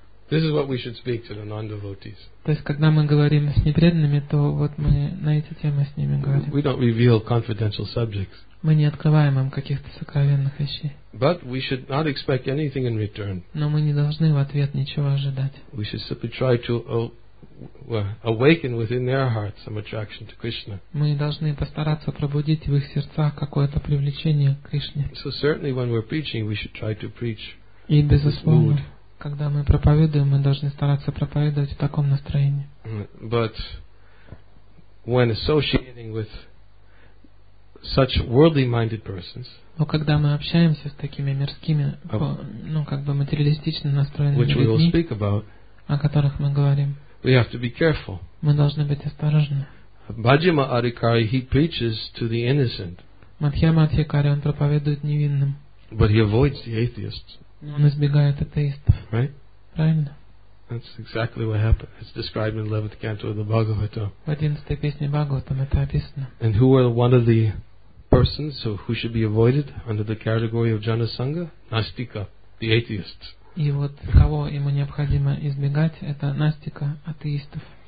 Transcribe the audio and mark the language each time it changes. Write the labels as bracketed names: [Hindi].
[English] This is what we should speak to the non-devotees. [Russian] То есть, когда мы говорим с непреданными, то вот мы на эти темы с ними говорим. [English] We don't reveal confidential subjects. [Russian] Мы не открываем им каких-то сокровенных вещей. [English] But we should not expect anything in return. [Russian] Но мы не должны в ответ ничего ожидать. [English] We should simply try to awaken within their hearts some attraction to Krishna. [Russian] Мы должны постараться пробудить в их сердцах какое-то привлечение к Кришне. [English] So certainly when we're preaching, we should try to preach. [Russian] И безусловно, когда мы проповедуем, мы должны стараться проповедовать в таком настроении. [English] But when associating with such worldly-minded persons, [Russian] но когда мы общаемся с такими мирскими, ну как бы материалистично настроенными [English] which [Russian] людьми, [English] we will speak about, [Russian] о которых мы говорим, [English] we have to be careful. [Russian] Мы должны быть осторожны. [English] Bhajima Adhikari, he preaches to the innocent. [Russian] Мадхьяма Адхикари, он проповедует невинным. [English] But he avoids the atheists. [Russian] Но он избегает атеистов. [English] Right? [Russian] Правильно? [English] That's exactly what happened. It's described in the 11th canto of the Bhagavatam. And who are one of the persons who should be avoided under the category of Janasangha? Nastika, the atheists. [Russian] И вот кого ему необходимо избегать, это настика, атеистов.